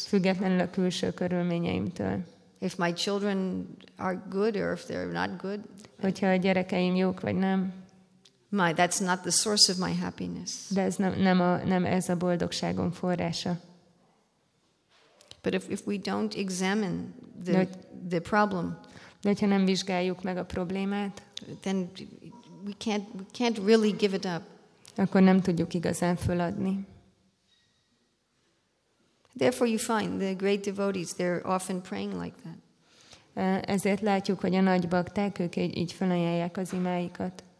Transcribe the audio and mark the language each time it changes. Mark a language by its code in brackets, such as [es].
[hu] Függetlenül a külső körülményeimtől. [en] If my children are good or if they're not good. [hu] Hogyha a gyerekeim jók vagy nem. [en] That's not the source of my happiness. [hu] De ez nem ez a boldogságom forrása. [en] But if we don't examine the problem. [hu] De ha nem vizsgáljuk meg a problémát, [en] then we can't really give it up. [hu] Akkor nem tudjuk igazán föladni. [en] Therefore you find the great devotees, they're often praying like that. [hu] Ezért látjuk, hogy a nagy bakták, ők így fölajánlják az imáikat.